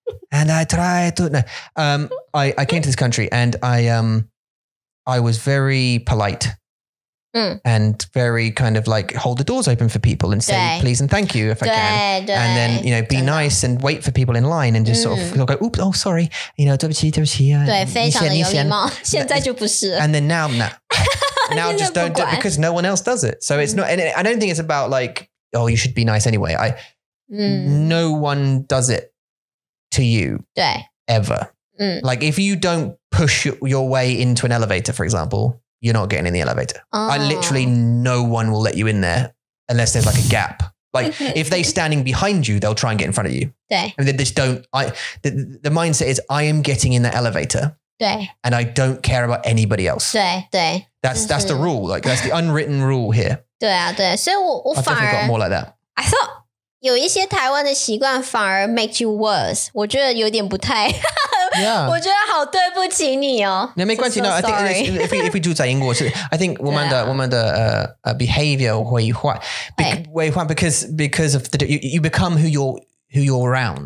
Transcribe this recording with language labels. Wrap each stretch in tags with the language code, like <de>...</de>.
<en>And I tried to, no. I came to this country and I was very polite. and very kind of like hold the doors open for people and say please and thank you if I can. And then, you know, be nice and wait for people in line and just sort of go, oops, oh, sorry. You know,</en> <zh>对不起，对不起。对，非常的有礼貌。现在就不是。</zh> <en>And then now, nah. Now just don't do it because no one else does it. So it's not, and it, I don't think it's about like, oh, you should be nice anyway. No one does it to you ever. Like if you don't push your way into an elevator, for example, you're not getting in the elevator. I literally, no one will let you in there unless there's like a gap. Like if they're standing behind you, they'll try and get in front of you. I mean, they just don't, the mindset is I am getting in the elevator. And I don't care about anybody else.</en> <zh>对，</zh> <en>That's the rule. Like that's the unwritten rule here.</en> <zh>对啊，对。所以我反而</zh> <en>got more like that. I thought</en> <zh>有一些台湾的习惯反而</zh> <en>make you worse.</en> <zh>我觉得有点不太</zh> <en>Yeah.</en> <zh>我觉得好对不起你哦。那没关系。</zh> <en>No, so I think if we do</en> <zh>在英国,</zh> <en>so I think</en> <zh>我们的</zh> <en>behavior</en> <zh>会换</zh> <en>because of the you become who you're around.</en>